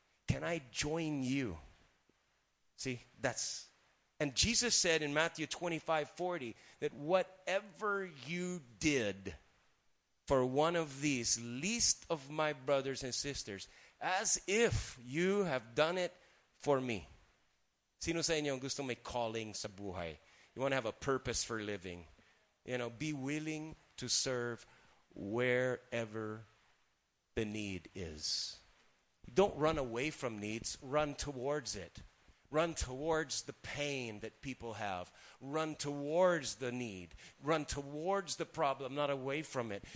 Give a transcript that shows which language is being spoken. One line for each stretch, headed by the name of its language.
English: Can I join you? See, that's... And Jesus said in Matthew 25:40, that whatever you did for one of these least of my brothers and sisters, as if you have done it for me.
Filipino: Sino sa inyo ang gusto may calling sa buhay?
English: You want to have a purpose for living. You know, be willing to serve wherever the need is. Don't run away from needs. Run towards it. Run towards the pain that people have. Run towards the need. Run towards the problem, not away from it.